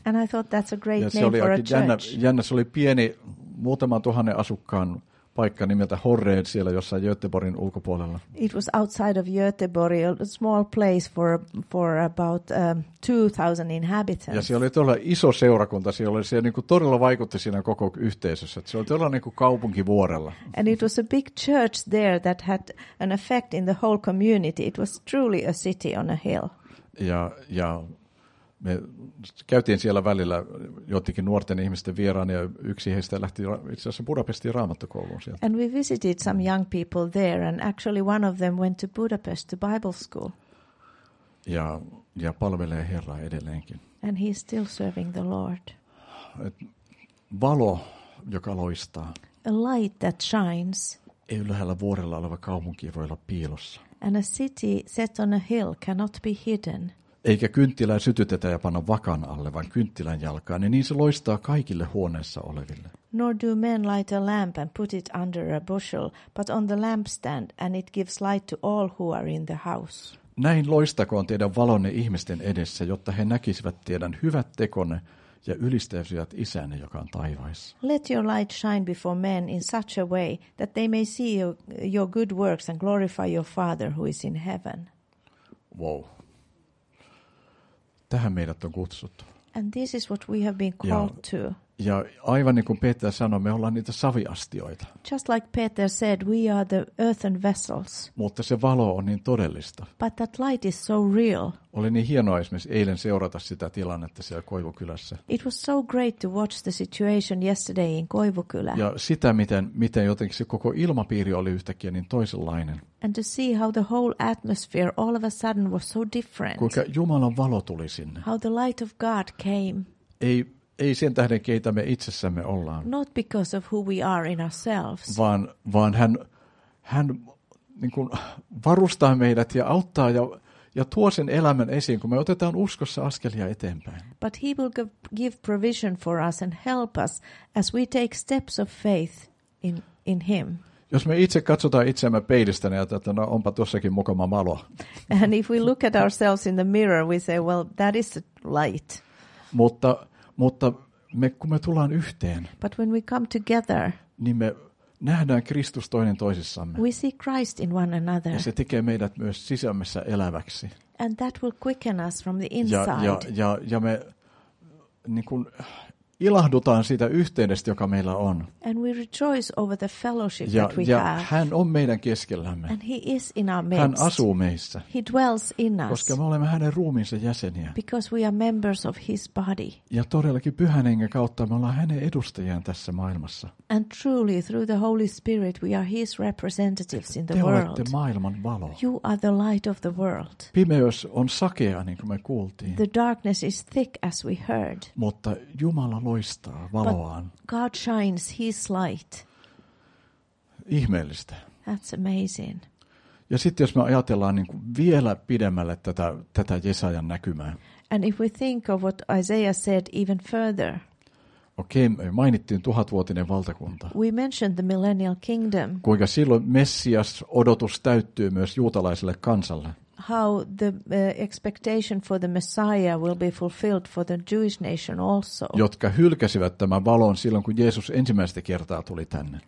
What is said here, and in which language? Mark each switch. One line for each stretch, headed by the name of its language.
English: And I thought that's a great name for a church.
Finnish: Jännä, se oli pieni, muutaman tuhannen asukkaan paikka nimeltä Horred siellä jossain Göteborgin ulkopuolella.
English: It was outside of Göteborg, a small place for about 2000 inhabitants.
Finnish: Ja siellä oli todella iso seurakunta, siellä oli siellä niinku todella vaikutti siinä koko yhteisössä. Se oli todella niinku kaupunkivuorella.
English: And it was a big church there that had an effect in the whole community. It was truly a city on a hill.
Finnish: Ja me käytiin siellä välillä joidenkin nuorten ihmisten vieraana ja yksi heistä lähti itse asiassa Budapestin raamattokouluun sieltä.
English: And we visited some young people there and actually one of them went to Budapest to Bible school.
Finnish: Ja palvelee Herraa edelleenkin.
English: And he's still serving the Lord.
Finnish: Valo, joka loistaa.
English: A light that shines.
Finnish: Ei ylhäällä vuorella oleva kaupunki voi olla piilossa.
English: And a city set on a hill cannot be hidden.
Finnish: Eikä kynttilää sytytetä ja panna vakan alle, vaan kynttilän jalkaan, niin se loistaa kaikille huoneessa oleville.
English: Nor do men light a lamp and put it under a bushel, but on the lampstand, and it gives light to all who are in the house.
Finnish: Näin loistakoon teidän valonne ihmisten edessä, jotta he näkisivät teidän hyvät tekonne ja ylistäisivät isänne, joka on taivaissa.
English: Let your light shine before men in such a way that they may see your good works and glorify your Father who is in heaven. Wow.
Finnish: Tähän meidät on kutsuttu.
English: And this is what we have been called to.
Finnish: Ja aivan niin kuin Peter sanoi, me ollaan niitä saviastioita.
English: Just like Peter said, we are the earthen vessels.
Finnish: Mutta se valo on niin todellista.
English: But that light is so real.
Finnish: Oli niin hienoa esimerkiksi eilen seurata sitä tilannetta siellä Koivukylässä.
English: It was so great to watch the situation yesterday in Koivukylä.
Finnish: Ja sitä, miten jotenkin se koko ilmapiiri oli yhtäkkiä niin toisenlainen.
English: And to see how the whole atmosphere all of a sudden was so different.
Finnish: Kuinka Jumalan valo tuli sinne.
English: How the light of God came.
Finnish: Ei sen tähden, keitä me itsessämme ollaan.
English: Not because of who we are in ourselves.
Finnish: Vaan hän niin kuin varustaa meidät ja auttaa ja tuo sen elämän esiin, kun me otetaan uskossa askelia eteenpäin.
English: But he will give provision for us and help us as we take steps of faith in him.
Finnish: Jos me itse katsotaan itseämme peilistä, niin että no, onpa tuossakin mukama malo.
English: And if we look at ourselves in the mirror, we say, well, that is a light.
Finnish: Mutta me, kun me tullaan yhteen,
English: but when we come together,
Finnish: niin me nähdään Kristus toinen toisissamme.
English: We see Christ in one another.
Finnish: Ja se tekee meidät myös sisimmässä eläväksi.
English: And that will quicken us from the inside.
Finnish: Ja me niin kuin ilahdutaan siitä yhteydestä, joka meillä on.
English: And we rejoice over the fellowship
Finnish: ja,
English: that we
Finnish: ja
English: have.
Finnish: Hän on meidän keskellämme.
English: And he is in our midst.
Finnish: Hän asuu meissä.
English: He dwells in us.
Finnish: Koska me olemme hänen ruumiinsa jäseniä.
English: Because we are members of his body.
Finnish: Ja todellakin Pyhän Hengen kautta me ollaan hänen edustajiaan tässä maailmassa.
English: And truly through the Holy Spirit we are his representatives in the world.
Finnish: Te olette maailman valo.
English: You are the light of the world.
Finnish: Pimeys on sakea, niin kuin me kuultiin.
English: The darkness is thick as we heard.
Finnish: Mutta Jumala loistaa valoaan.
English: But God shines his light.
Finnish: Ihmeellistä.
English: That's amazing.
Finnish: Ja sitten jos me ajatellaan niin kuin vielä pidemmälle tätä Jesajan näkymää.
English: And if we think of what Isaiah said even further.
Finnish: Okei, me mainittiin tuhatvuotinen valtakunta.
English: We mentioned the millennial kingdom.
Finnish: Kuinka silloin Messias odotus täyttyy myös juutalaiselle kansalle.
English: How the expectation for the Messiah will be fulfilled for the Jewish nation also.
Finnish: Jotka hylkäsivät tämän valon silloin, kun Jeesus ensimmäistä kertaa tuli tänne.